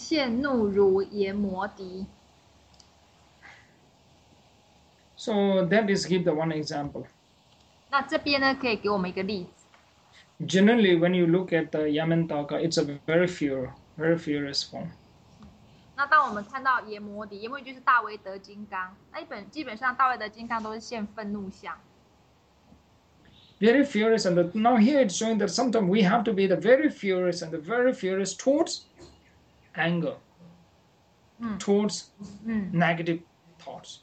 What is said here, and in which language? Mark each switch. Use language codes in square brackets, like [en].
[zh] 那仁波切现在提到就是嗔恨毒花燃放时，不现怒如炎魔敌。 [en] So that is give the one example. [zh] 那这边呢，可以给我们一个例子。 [en] Generally, when you look at the Yamantaka, it's a very furious form. [zh] 那当我们看到炎魔敌，炎魔敌就是大威德金刚。那基本上大威德金刚都是现愤怒相。 [en] Very furious, and now here it's showing that sometimes we have to be the very furious and the very furious towards anger, towards negative thoughts.